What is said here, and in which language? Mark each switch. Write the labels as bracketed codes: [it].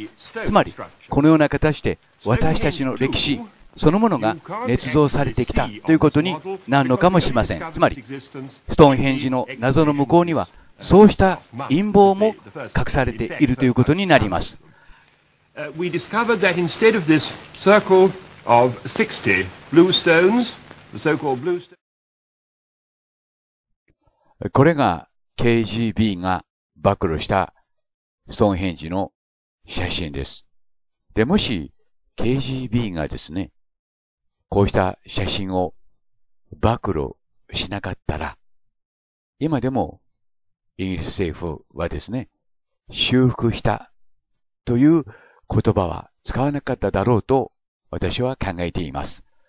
[ja] つまりこのような形で私たちの歴史そのものが捏造されてきたということになるのかもしれません。つまりストーンヘンジの謎の向こうにはそうした陰謀も隠されているということになります。 [en] We discovered that instead of this circle of 60 blue stones, the so-called blue stones. [ja] これが KGB が暴露したストーンヘンジの写真です。で、もし KGB がですね、こうした写真を暴露しなかったら、今でもイギリス政府はですね、修復したという言葉は使わなかっただろうと私は考えています。